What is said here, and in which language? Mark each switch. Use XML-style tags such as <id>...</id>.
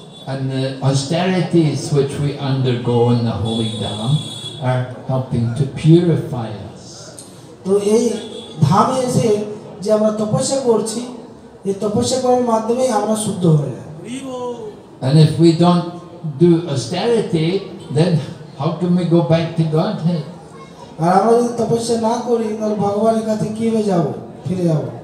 <en>And the austerities which we undergo in the holy dham are helping to purify us.</en> <bn>তো এই ধামে এসে যে আমরা তপস্যা করছি এই তপস্যা করার মাধ্যমে আমরা শুদ্ধ হই</bn> <en>And if we don't do austerity then how can we go back to Godhead?</en> <bn>আর আমরা যদি তপস্যা না করি তাহলে ভগবানের কাছে কিভাবে যাব ফিরে যাব</bn>